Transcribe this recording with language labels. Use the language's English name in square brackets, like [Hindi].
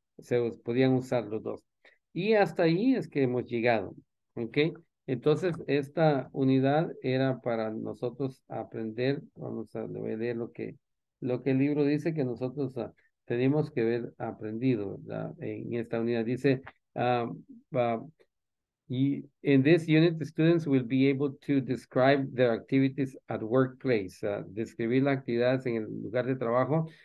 [Spanish] Se podían usar los dos. Y hasta ahí es que hemos llegado. ¿Okay? Entonces, esta unidad era para nosotros aprender. Vamos a leer lo que el libro dice que nosotros tenemos que haber aprendido, ¿verdad? En esta unidad. [English] Dice, in this unit, the students will be able to describe their activities at workplace. [Spanish] Describir las actividades en el lugar de trabajo.